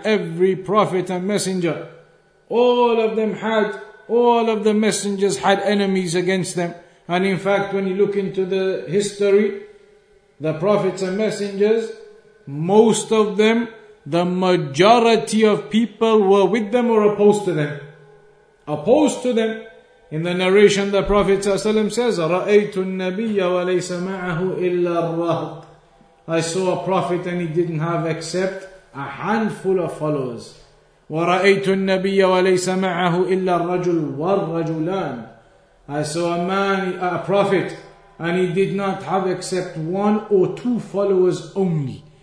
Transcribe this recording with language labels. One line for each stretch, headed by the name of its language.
English: Every prophet and messenger, all of the messengers had enemies against them. And in fact, when you look into the history, the prophets and messengers, most of them, the majority of people were with them or opposed to them. Opposed to them. In the narration, the Prophet ﷺ says,
Arabic: رَأَيْتُ النَّبِيَّ وَلَيْسَ مَعَهُ إِلَّا الرَّهْبُ.
English: I saw a prophet and he didn't have except a handful of followers.
Arabic: وَرَأَيْتُ النَّبِيَّ وَلَيْسَ مَعَهُ إِلَّا الرَّجُلُ وَالرَّجُلَانِ.
English: I saw a prophet, and he did not have except one or two followers only.